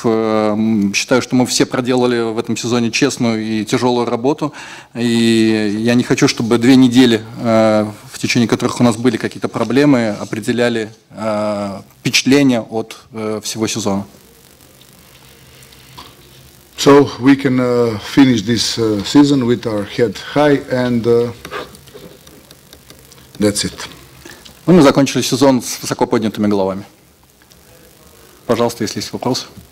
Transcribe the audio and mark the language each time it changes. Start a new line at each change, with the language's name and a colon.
Russian: Считаю, что мы все проделали в этом сезоне честную и тяжелую работу. И я не хочу, чтобы 2 недели, в течение которых у нас были какие-то проблемы, определяли впечатление от всего сезона.
English: So we can finish this season with our head high, and that's it.
Russian: Мы закончили сезон с высоко поднятыми головами. Пожалуйста, если есть вопросы.